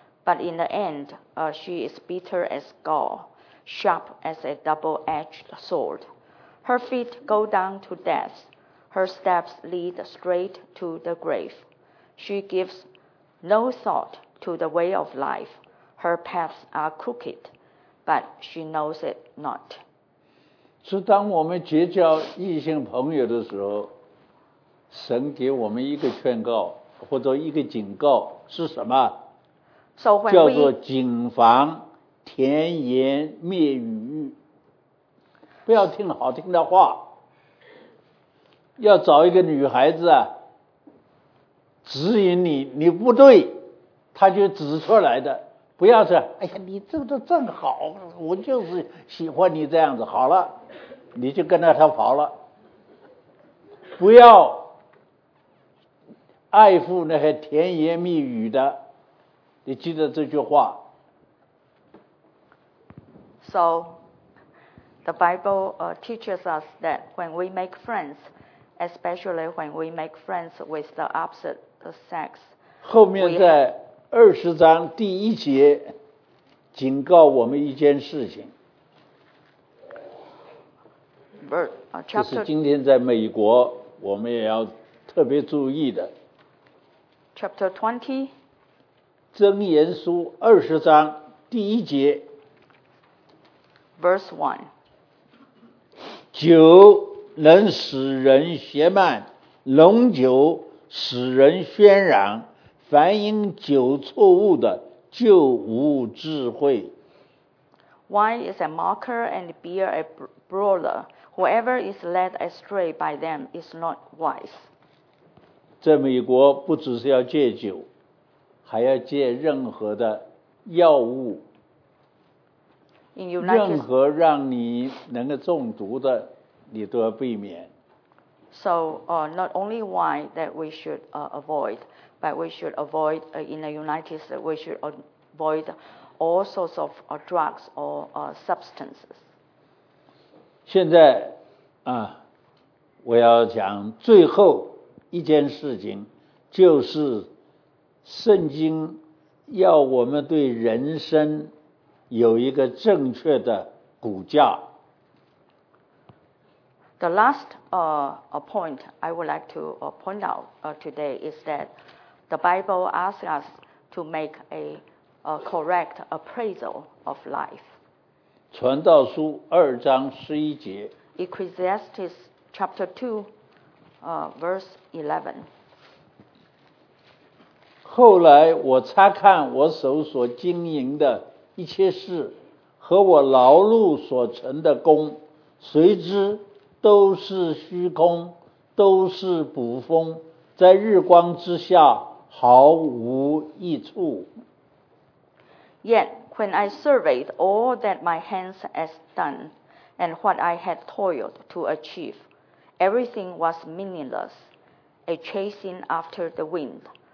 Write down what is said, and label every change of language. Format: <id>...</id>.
<en>But in the end, she is bitter as gall, sharp as a double-edged sword. Her feet go down to death. Her steps lead straight to the grave. She gives no thought to the way of life. Her paths are crooked, but she knows it not.</en> <zh>是当我们结交异性朋友的时候，神给我们一个劝告或者一个警告是什么？叫做谨防甜言蜜语，不要听好听的话。要找一个女孩子啊，指引你，你不对，她就指出来的。不要说，哎呀，你这个正好，我就是喜欢你这样子。好了，你就跟着她跑了。不要爱附那些甜言蜜语的。你记得这句话。</zh> <en>So, the Bible teaches us that when we make friends, especially when we make friends with the opposite sex.</en> <zh>后面在二十章第一节警告我们一件事情。这是今天在美国我们也要特别注意的。</zh> <en>Chapter 20.</en> <zh>箴言书二十章第一节</zh> <en>Verse 1,</en> <zh>酒能使人邪慢，浓酒使人喧嚷，凡因酒错误的就无智慧。</zh> <en>Wine is a mocker and beer a brawler. Whoever is led astray by them is not wise.</en> <zh>在美国不只是要戒酒，还要戒任何的药物，任何让你能够中毒的，你都要避免。</zh> <en>So, not only wine that we should avoid, but we should avoid in the United States, we should avoid all sorts of drugs or substances.</en> <zh>现在啊，我要讲最后一件事情，就是。圣经要我们对人生有一个正确的骨架。</zh> <en>The last point I would like to point out today is that the Bible asks us to make a correct appraisal of life.</en> <zh>传道书二章十一节。</zh> <en>Ecclesiastes chapter 2, verse 11.</en> <zh>后来我察看我手所经营的一切事和我劳碌所成的功，谁知都是虚空，都是捕风，在日光之下毫无益处。</zh> <en>Yet when I surveyed all that my hands had done and what I had toiled to achieve, everything was meaningless, a chasing after the wind.</en>